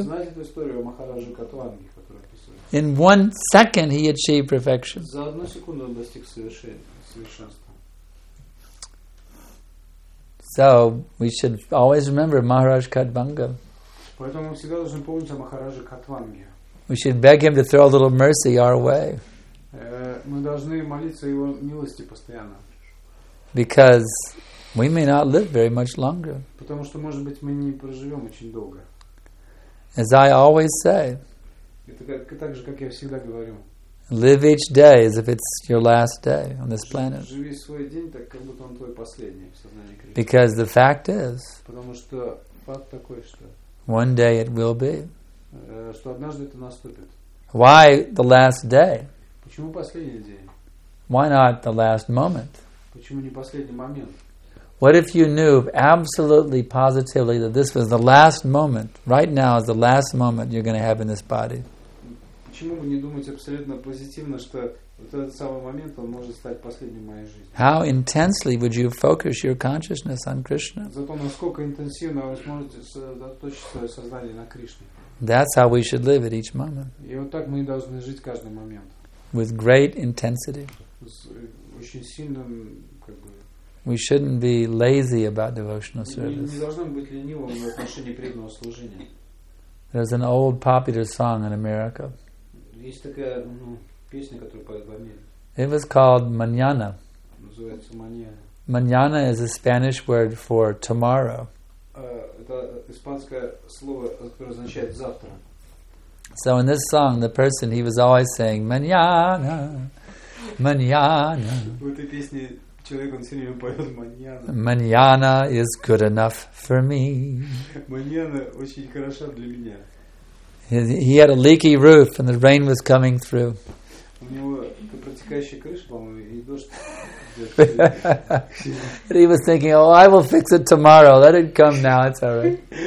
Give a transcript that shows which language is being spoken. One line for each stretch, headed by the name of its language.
Russian: Знаете эту историю о Махараджи Катванги, которая.
English: In one second, he achieved perfection.
Russian: За одну секунду он достиг совершенства.
English: So we should always remember Maharaj Khatvanga.
Russian: Поэтому мы всегда должны помнить о Махараджи Катванге.
English: We should beg him to throw a little mercy our way.
Russian: Мы должны молиться его милости постоянно.
English: Because we may not live very much longer.
Russian: Потому что, может быть, мы не проживем очень долго.
English: As I always say.
Russian: Это так же, как я всегда говорю.
English: Live each day as if it's your last day on this planet.
Russian: Живи свой день так, как будто он твой последний в сознании Кришны.
English: Because the fact is.
Russian: Потому что факт такой, что.
English: One day it will be.
Russian: Что однажды это наступит.
English: Why the last day?
Russian: Почему последний день?
English: Why not the last moment?
Russian: Почему не последний момент?
English: What if you knew absolutely positively that this was the last moment, right now is the last moment you're going to have in this body?
Russian: Почему бы не думать абсолютно позитивно, что вот этот самый момент, он может стать последним в моей жизни?
English: How intensely would you focus your consciousness on Krishna?
Russian: Зато насколько интенсивно вы сможете сосредоточить свое сознание на Кришне.
English: That's how we should live at each moment.
Russian: И вот так мы и должны жить каждый момент.
English: With great intensity.
Russian: С очень сильным, как бы.
English: We shouldn't be lazy about devotional service.
Russian: Не должны быть ленивым в отношении преданного служения.
English: There's an old popular song in America.
Russian: Есть такая, ну, песня, которую поют в Америке.
English: It was called Mañana.
Russian: Называется Маньяна.
English: Mañana is a Spanish word for tomorrow.
Russian: Это испанское слово, которое означает завтра.
English: So in this song, the person, he was always saying, Mañana, Mañana.
Russian: В этой песне человек, он все время поет Mañana.
English: Mañana is good enough for me.
Russian: Mañana очень хороша для меня.
English: He had a leaky roof and the rain was coming through.
Russian: У него протекающая крыша, по-моему, и дождь.
English: And he was thinking, oh, I will fix it tomorrow. Let it come now. It's all right.